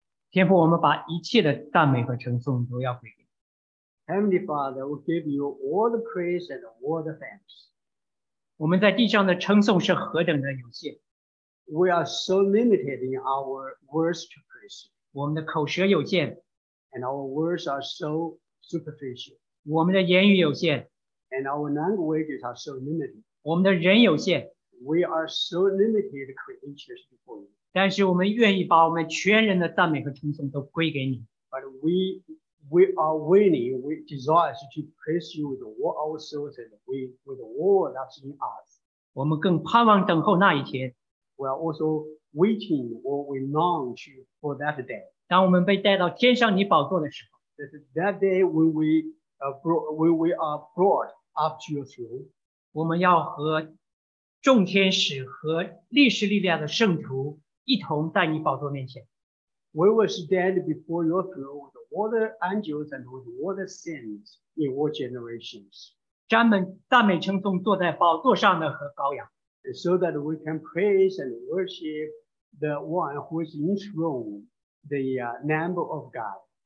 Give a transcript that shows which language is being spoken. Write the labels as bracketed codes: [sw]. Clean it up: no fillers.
[zh] 天父，我们把一切的赞美和称颂都要归给你。 [en] Heavenly Father, we give you all the praise and all the thanks. [zh] 我们在地上的称颂是何等的有限。 [en] We are so limited in our words to praise. [zh] 我们的口舌有限。 [en] And our words are so superficial. [zh] 我们的言语有限。 [en] And our languages are so limited. [zh] 我们的人有限。 [en] We are so limited creatures before you. [zh] 但是我们愿意把我们全人的赞美和称颂都归给你。 [en] But we are willing, we desire to praise you with all our souls and with all that's in us. [zh] 我们更盼望等候那一天。 [en] We are also waiting or we long for that day. [zh] 当我们被带到天上你宝座的时候 [en] That day when we are brought up to your throne. [zh] 我们要和众天使和历史历代的圣徒一同在你宝座面前。 [en] We will stand before your throne with all the angels and with all the saints in all generations. [zh] 沾满赞美称颂坐在宝座上的和羔羊。 [en] So that we can praise and worship the one who is enthroned, the Lamb of God,